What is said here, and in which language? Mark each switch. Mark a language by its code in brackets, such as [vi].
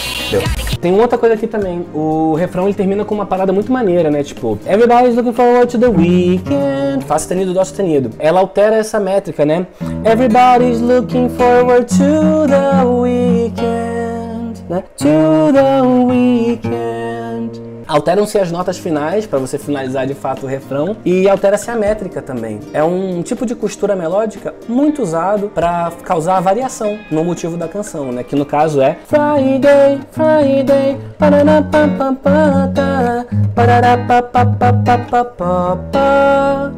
[pt] Deu. Tem outra coisa aqui também. O refrão ele termina com uma parada muito maneira, né? [en] Tipo, everybody's looking forward to the weekend. [pt] Fá sustenido, dó sustenido. Ela altera essa métrica, né? [en] Everybody's looking forward to the weekend, né? To the weekend. [pt] Alteram-se as notas finais pra você finalizar de fato o refrão. E altera-se a métrica também. É um tipo de costura melódica muito usado pra causar variação no motivo da canção, né? Que no caso é Friday, Friday, paranapapapata, pararapapapapapapá.